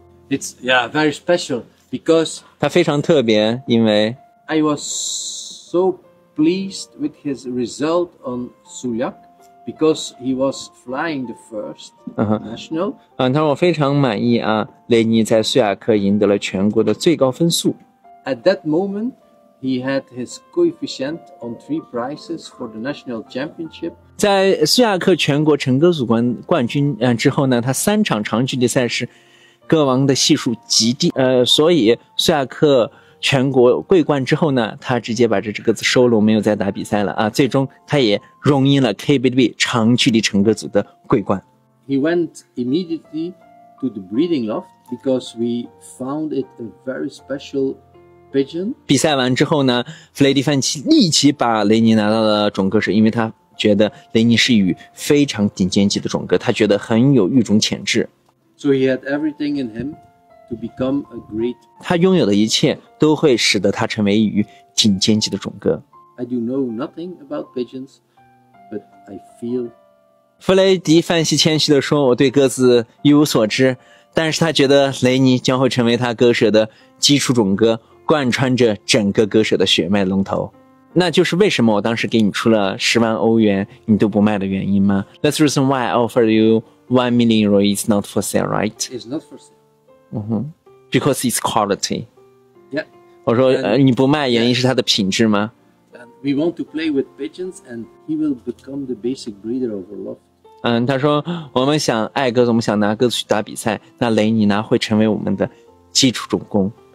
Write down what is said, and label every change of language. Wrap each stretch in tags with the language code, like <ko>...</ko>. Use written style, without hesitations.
<en>It's yeah very special because</en> <zh>他非常特别，因为。</zh> <en>I was so pleased with his result on Suljak because he was flying the first national.</en> <zh>他说我非常满意啊，雷尼在苏雅克赢得了全国的最高分数。</zh> <en>At that moment, he had his coefficient on three prizes for the national championship.</en> <zh>在苏雅克全国成鸽组冠军之后呢，他三场长距离赛事鸽王的系数极低，所以苏雅克。全国桂冠之后呢，他直接把这只鸽子收了，没有再打比赛了啊！最终他也荣膺了 KBDB 长距离成鸽组的桂冠。</zh> <en>He went immediately to the breeding loft because we found it a very special pigeon.</en> <zh>比赛完之后呢，弗雷迪范奇立即把雷尼拿到了种鸽舍，因为他觉得雷尼是一羽非常顶尖级的种鸽，他觉得很有育种潜质。</zh> <en>So he had everything in him. To become a great,</en> <zh>他拥有的一切都会使得他成为一羽顶尖级的种鸽。</zh> <en>I do know nothing about pigeons, but I feel.</en> <zh>弗雷迪范西谦虚地说：“我对鸽子一无所知，但是他觉得雷尼将会成为他鸽舍的基础种鸽，贯穿着整个鸽舍的血脉龙头。那就是为什么我当时给你出了10万欧元，你都不卖的原因吗 ？</zh> <en>That's the reason why I offered you €1 million. It's not for sale, right? It's not for sale. Mm-hmm. Because it's quality. Yeah.</en> <zh>我说 and, 你不卖原因是它的品质吗</zh> <en>and ？We want to play with pigeons, and he will become the basic breeder of our loft.</en> <zh>他说我们想爱鸽子，我们想拿鸽子去打比赛。那雷尼呢会成为我们的基础种工。</zh>